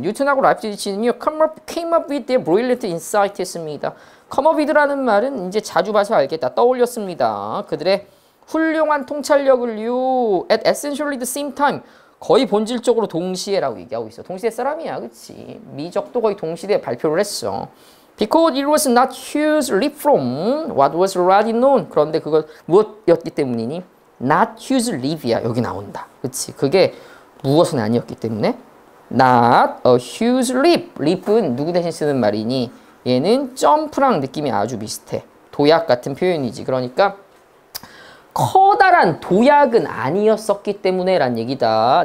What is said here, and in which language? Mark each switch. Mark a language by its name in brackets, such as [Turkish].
[English] 뉴턴하고 라이프지치는요 came up with their brilliant insight [Korean] 했습니다. Come up with라는 말은 이제 자주 봐서 알겠다. 떠올렸습니다. 그들의 훌륭한 통찰력을요. [English] At essentially the same time. [Korean] 거의 본질적으로 동시에 라고 얘기하고 있어. 동시대 사람이야. 그치? 미적도 거의 동시대에 발표를 했어. [English] Because it was not hugely from what was already known. [Korean] 그런데 그것 무엇이었기 때문이니? [English] Not hugely [Korean] 야. 여기 나온다. 그치? 그게 무엇은 아니었기 때문에? [English] Not a huge leap. [Korean] Leap은 누구 대신 쓰는 말이니? 얘는 점프랑 느낌이 아주 비슷해. 도약 같은 표현이지. 그러니까 커다란 도약은 아니었었기 때문에 라는 얘기다.